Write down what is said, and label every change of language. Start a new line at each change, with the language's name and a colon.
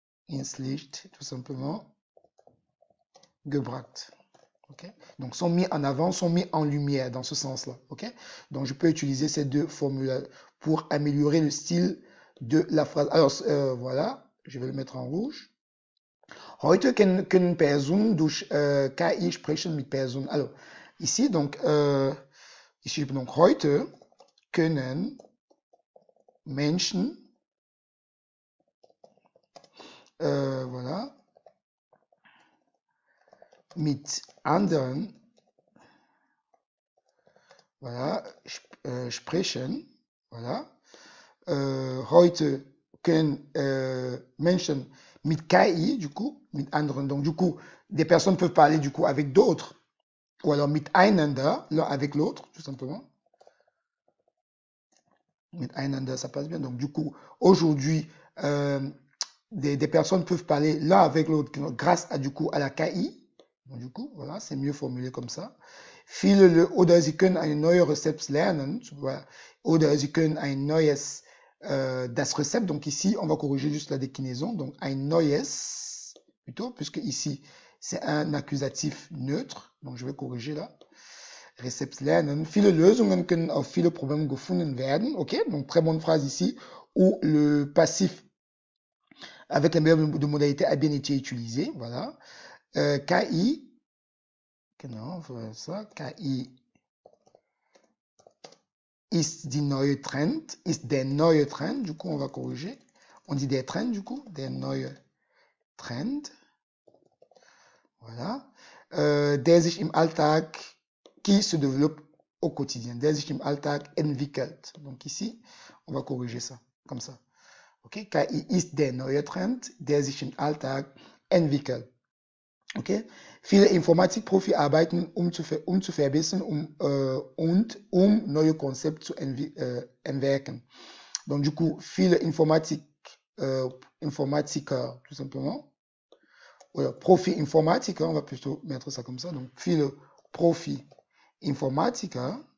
German: Inslicht,
French: tout simplement,
German: gebracht. Okay?
French: Donc, sont mis en avant, sont mis en lumière dans ce sens-là. Okay? Donc, je peux utiliser ces deux formules pour améliorer le style de la phrase. Alors, voilà, je vais le mettre en rouge.
German: Heute können Personen durch KI sprechen mit Personen. Also, ici, donc, ich schreibe donc, heute können Menschen, voilà, mit anderen, voilà, sprechen, voilà. Heute können Menschen mit KI,
French: du coup,
German: mit anderen,
French: donc du coup, des personnes peuvent parler du coup avec d'autres, ou alors miteinander, l'un avec l'autre, tout simplement. Miteinander, ça passe bien. Donc du coup, aujourd'hui, des personnes peuvent parler l'un avec l'autre grâce à du coup à la KI. Donc, du coup, voilà, c'est mieux formulé comme ça.
German: Viele Leute, oder sie können ein neues Rezept lernen, voilà. Oder sie können ein neues das Rezept.
French: Donc ici, on va corriger juste la déclinaison. Donc
German: ein neues
French: plutôt, puisque ici c'est un accusatif neutre. Donc je vais corriger là.
German: Rezept lernen. Viele Lösungen können auf viele Probleme gefunden werden. Ok.
French: Donc très bonne phrase ici où le passif avec les verbes de modalité a bien été utilisé. Voilà. KI. Genau, voilà ça.
German: KI ist die neue Trend, ist der neue Trend,
French: du coup on va corriger. On dit der Trend, du coup,
German: der neue Trend.
French: Voilà.
German: Der sich im Alltag,
French: qui se développe au quotidien,
German: der sich im Alltag entwickelt.
French: Donc ici, on va corriger ça, comme ça.
German: Ok, KI ist der neue Trend, der sich im Alltag entwickelt. Okay. Viele Informatikprofis arbeiten, um zu verbessern und um neue Konzepte zu entwerfen.
French: Donc, du coup,
German: viele Informatiker,
French: tout simplement,
German: oder Profi-Informatiker,
French: on va plutôt mettre ça comme ça, donc,
German: viele Profi-Informatiker